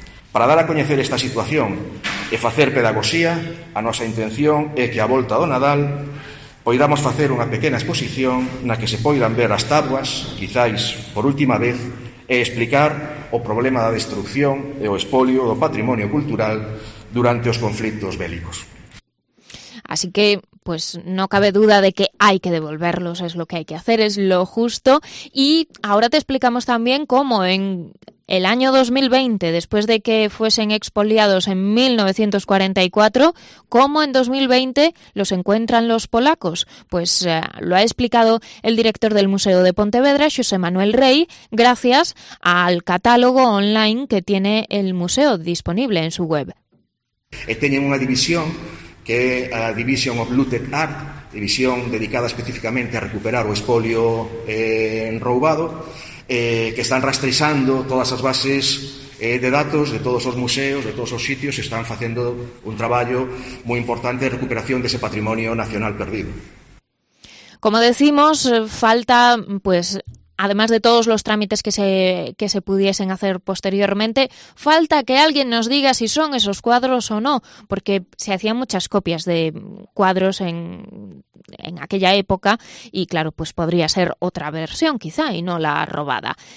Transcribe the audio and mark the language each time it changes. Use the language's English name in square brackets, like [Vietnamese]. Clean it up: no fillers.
[Galician] Para dar a coñecer esta situación e facer pedagoxía, a nosa intención é que a volta do Nadal poidamos facer unha pequena exposición na que se poidan ver as tabuas, quizáis por última vez, e explicar o problema da destrucción e o expolio do patrimonio cultural durante os conflictos bélicos. [Spanish] Así que, pues no cabe duda de que hay que devolverlos, es lo que hay que hacer, es lo justo. Y ahora te explicamos también cómo en el año 2020, después de que fuesen expoliados en 1944, cómo en 2020 los encuentran los polacos. Pues lo ha explicado el director del Museo de Pontevedra, José Manuel Rey, gracias al catálogo online que tiene el museo disponible en su web. [Galician] Teñen unha división que é a Division of Looted Art, división dedicada especificamente a recuperar o espolio roubado, que están rastreizando todas as bases de datos de todos os museos, de todos os sitios, e están facendo un traballo moi importante de recuperación dese patrimonio nacional perdido. [Spanish] Como decimos, falta, pues, además de todos los trámites que se pudiesen hacer posteriormente, falta que alguien nos diga si son esos cuadros o no, porque se hacían muchas copias de cuadros en aquella época y, claro, pues podría ser otra versión quizá y no la robada.